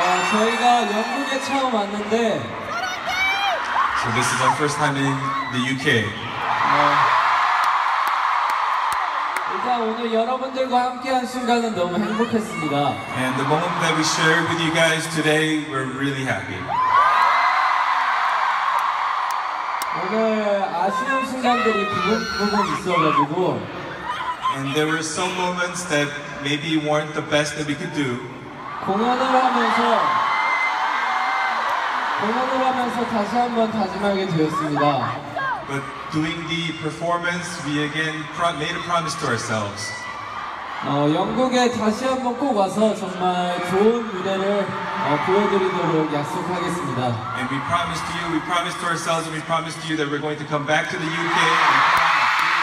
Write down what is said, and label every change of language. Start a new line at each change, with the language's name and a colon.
Korean: 저희가 영국에 처음 왔는데
English: So this is our first time in the UK.
Korean: 일단 오늘 여러분들과 함께한 순간은 너무 행복했습니다.
English: And the moment that we shared with you guys today, we're really happy.
Korean: 오늘 아쉬운 순간들이 부분 있어가지고
English: And there were some moments that maybe weren't the best that we could do.
Korean: 공연을 하면서 다시 한번 다짐하게 되었습니다.
English: But doing the performance, we again made a promise to ourselves.
Korean: 영국에 다시 한번 꼭 와서 정말 좋은 무대를 보여드리도록 약속하겠습니다.
English: And we promised you, we promised to ourselves, and we promised you that we're going to come back to the UK.